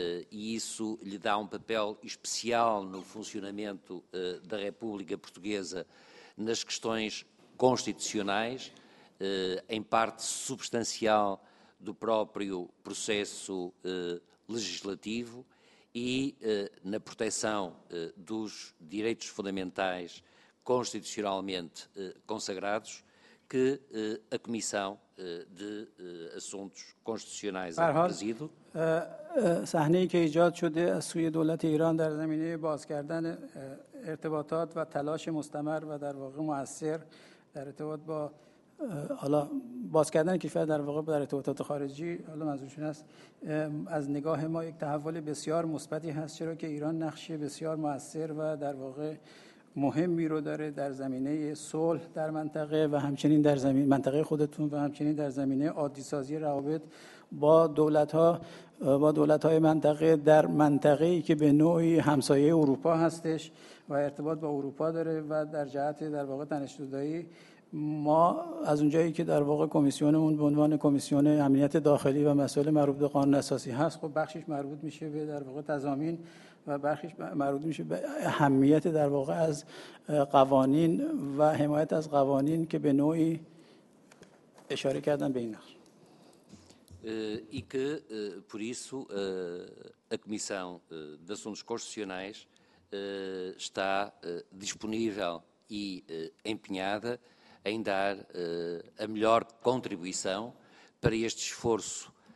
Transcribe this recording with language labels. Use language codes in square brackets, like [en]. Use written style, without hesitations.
[pt] e isso lhe dá um papel especial no funcionamento da República Portuguesa nas questões constitucionais, em parte substancial do próprio processo legislativo, e na proteção dos direitos fundamentais constitucionalmente consagrados, que a Comissão de Assuntos Constitucionais é trazido. [fa] صحنه‌ای که ایجاد شده از سوی دولت ایران در زمینه باز کردن ارتباطات و تلاش مستمر و در واقع مؤثر در ارتباط با حالا باز کردن کشور در واقع در ارتباطات خارجی حالا منظورشون است، از نگاه ما یک تحول بسیار مثبتی هست، چرا که ایران نقش بسیار مؤثر و در واقع مهمی رو داره در زمینه صلح در منطقه و همچنین در زمینه منطقه خودتون و همچنین در زمینه عادی سازی روابط با دولت‌های منطقه در منطقه‌ای که به نوعی همسایه اروپا هستش و ارتباط با اروپا داره و در جهت در واقع دانش‌زدایی ما از اونجایی که در واقع کمیسیونمون به عنوان کمیسیون امنیت داخلی و مسائل مربوط به قانون اساسی هست، خب بخشش مربوط میشه به در واقع تضامین و بخشش مربوط میشه به اهمیت در واقع از قوانین و حمایت از قوانین که به نوعی اشاره کردن به این نقش. [pt] E que por isso a Comissão de Assuntos Constitucionais está disponível e empenhada em dar a melhor contribuição para este esforço